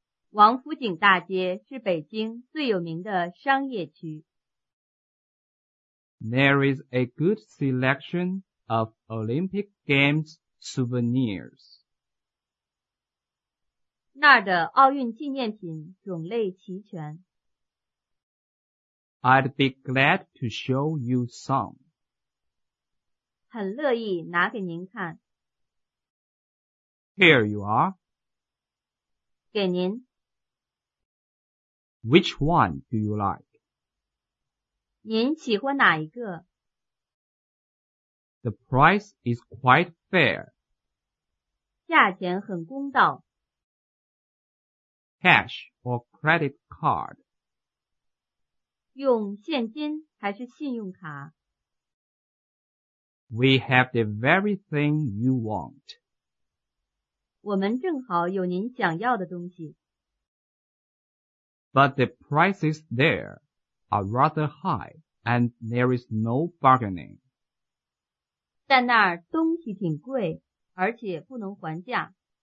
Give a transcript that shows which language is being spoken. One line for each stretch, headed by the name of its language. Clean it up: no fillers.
Chinese: 王府井大街是北京最有名的商业区。
English: There is a good selection of Olympic Games souvenirs.
Chinese: 那儿的奥运纪念品种类齐全。
English: I'd be glad to show you some.
Chinese: 很乐意拿给您看。
English: Here you are.
Chinese: 给您。
English: Which one do you like?
Chinese: 您喜欢哪一个?
English: The price is quite fair.
Chinese: 价钱很公道。
English: Cash or credit card?
Chinese: 用现金还是信用卡?
English: We have the very thing you want.
Chinese: 我们正好有您想要的东西。
English: But the prices there are rather high and there is no bargaining.
Chinese: 在那儿东西挺贵,而且不能还价。